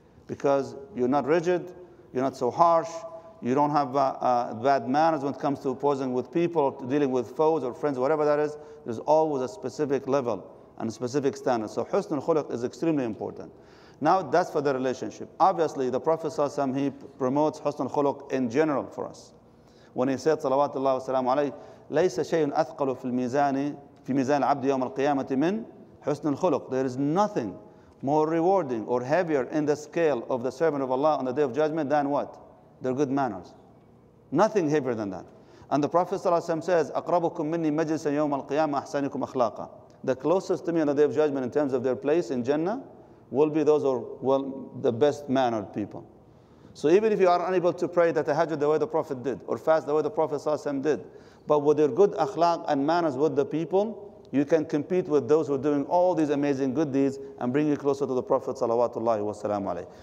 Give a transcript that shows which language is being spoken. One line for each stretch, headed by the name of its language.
English: Because you're not rigid, you're not so harsh, you don't have bad manners when it comes to opposing with people, to dealing with foes or friends, whatever that is. There's always a specific level and a specific standard. So husn al-khuluq is extremely important. Now that's for the relationship. Obviously, the Prophet ﷺ, he promotes husn al-khuluq in general for us. When he said, salawatullahi wa salamu alayhi,
Arabic: لَيْسَ شَيْءٌ أَثْقَلُ فِي مِزَانِ الْعَبْدِ يَوْمَ الْقِيَامَةِ مِنْ حُسْنُ الْخُلُقِ.
English: There is nothing more rewarding or heavier in the scale of the servant of Allah on the Day of Judgment than what? Their good manners. Nothing heavier than that. And the Prophet ﷺ says,
Arabic: أَقْرَبُكُمْ مِنِّي مَجْلِسًا يَوْمَ الْقِيَامَةِ أَحْسَنِكُمْ أَخْلَاقًا.
English: The closest to me on the Day of Judgment in terms of their place in Jannah will be those who are well, the best mannered people. So even if you are unable to pray the tahajjud the way the Prophet did, or fast the way the Prophet ﷺ did, but with your good akhlaq and manners with the people, you can compete with those who are doing all these amazing good deeds and bring you closer to the Prophet salawatullahi wasalamu alayhi.